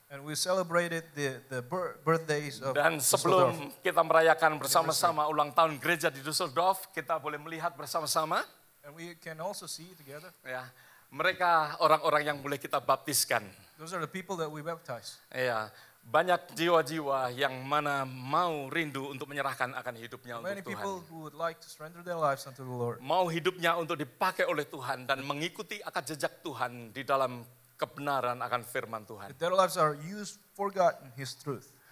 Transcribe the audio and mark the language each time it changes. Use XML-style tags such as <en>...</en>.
<en>And we celebrated the birthdays of</en> <id>Dan sebelum Düsseldorf. Kita merayakan bersama-sama ulang tahun gereja di Düsseldorf, kita boleh melihat bersama-sama.</id> <en>And we can also see together.</en> <id>Ya, mereka orang-orang yang boleh kita baptiskan.</id> <en>Those are the people that we baptize. Ya.</en> <id>Banyak jiwa-jiwa yang mana mau rindu untuk menyerahkan akan hidupnya</id> <en>Many</en> <id>untuk Tuhan.</id> <en>Who would like to surrender their lives unto the Lord.</en> <id>Mau hidupnya untuk dipakai oleh Tuhan dan mengikuti akan jejak Tuhan di dalam kebenaran akan firman Tuhan.</id> <en>Their lives are used for God and his truth.</en>